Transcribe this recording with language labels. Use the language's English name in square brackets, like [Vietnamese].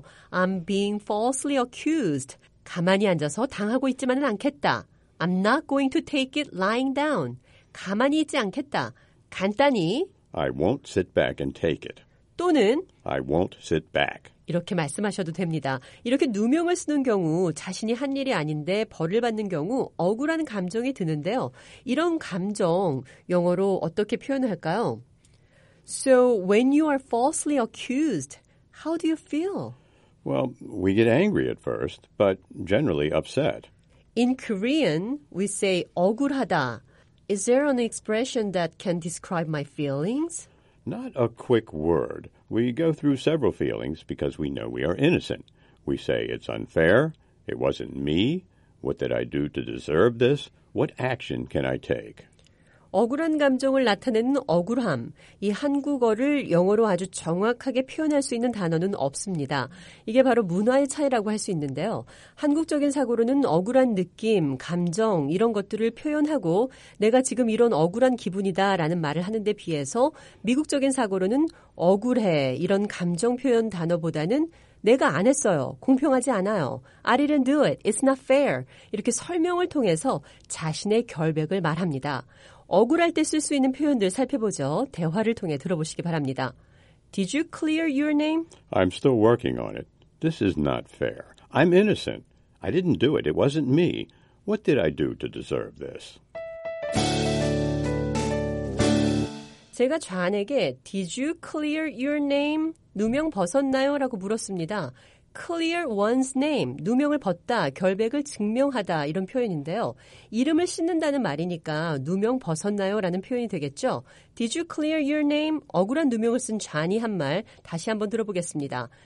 [English] I'm being falsely accused. [Korean] 가만히 앉아서 당하고 있지만은 않겠다. [English] I'm not going to take it lying down. [Korean] 가만히 있지 않겠다. 간단히 [English] I won't sit back and take it. [Korean] 또는 [English] I won't sit back. [Korean] 이렇게 말씀하셔도 됩니다. 이렇게 누명을 쓰는 경우 자신이 한 일이 아닌데 벌을 받는 경우 억울한 감정이 드는데요. 이런 감정 영어로 어떻게 표현을 할까요? [English] So when you are falsely accused, how do you feel? Well, we get angry at first, but generally upset. In Korean, we say 억울하다. Is there an expression that can describe my feelings? Not a quick word. We go through several feelings because we know we are innocent. We say it's unfair. It wasn't me. What did I do to deserve this? What action can I take? [Korean] 억울한 감정을 나타내는 억울함. 이 한국어를 영어로 아주 정확하게 표현할 수 있는 단어는 없습니다. 이게 바로 문화의 차이라고 할 수 있는데요. 한국적인 사고로는 억울한 느낌, 감정 이런 것들을 표현하고 내가 지금 이런 억울한 기분이다라는 말을 하는 데 비해서 미국적인 사고로는 억울해 이런 감정 표현 단어보다는 내가 안 했어요. 공평하지 않아요. [English] I didn't do it. It's not fair. [Korean] 이렇게 설명을 통해서 자신의 결백을 말합니다. 억울할 때 쓸 수 있는 표현들 살펴보죠. 대화를 통해 들어보시기 바랍니다. [English] Did you clear your name? I'm still working on it. This is not fair. I'm innocent. I didn't do it. It wasn't me. What did I do to deserve this? [Korean] 제가 좌한에게 [English] Did you clear your name? [Korean] 누명 벗었나요? 라고 물었습니다. [English] Clear one's name, [Korean] 누명을 벗다, 결백을 증명하다 이런 표현인데요. 이름을 씻는다는 말이니까 누명 벗었나요? 라는 표현이 되겠죠. [English] Did you clear your name? [Korean] 억울한 누명을 쓴 쟈니 한 말 다시 한번 들어보겠습니다.